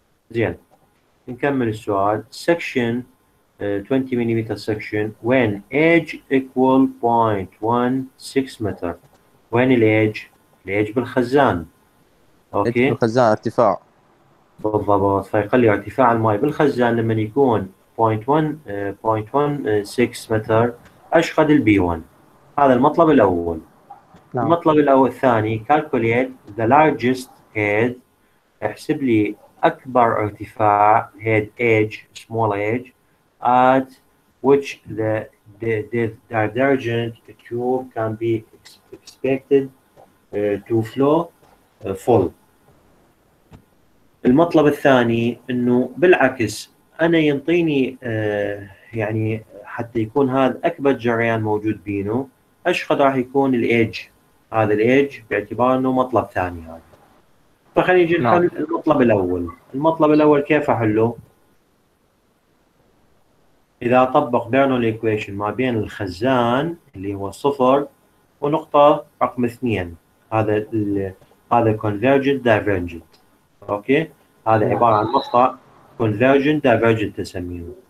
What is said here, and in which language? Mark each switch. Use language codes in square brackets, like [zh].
[ar] زين نكمل السؤال. سكشن 20 مليمتر سكشن، وين ايج ايكوال 0.16 متر. وين الايج؟ الايج بالخزان. اوكي الخزان ارتفاع بالضبط، فيقل لي ارتفاع الماء بالخزان لما يكون 0.16 متر اشقد البي 1. هذا المطلب الاول. نعم. المطلب الاول الثاني [en] calculate the largest head، [ar] احسب لي اكبر ارتفاع [en] head edge small edge at which the divergent tube can be expected to flow full. [ar] المطلب الثاني انه بالعكس انا ينطيني يعني حتى يكون هذا اكبر جريان موجود بينه، ايش قد راح يكون الايدج، هذا الايدج باعتبار انه مطلب ثاني هذا. فخلينا نجي نحل المطلب الاول. المطلب الاول كيف احله؟ اذا اطبق بيرنولي ايكويشن ما بين الخزان اللي هو صفر ونقطه رقم 2، هذا ال هذا convergent divergent اوكي، هذا عبارة عن مقطع convergent divergent تسميه.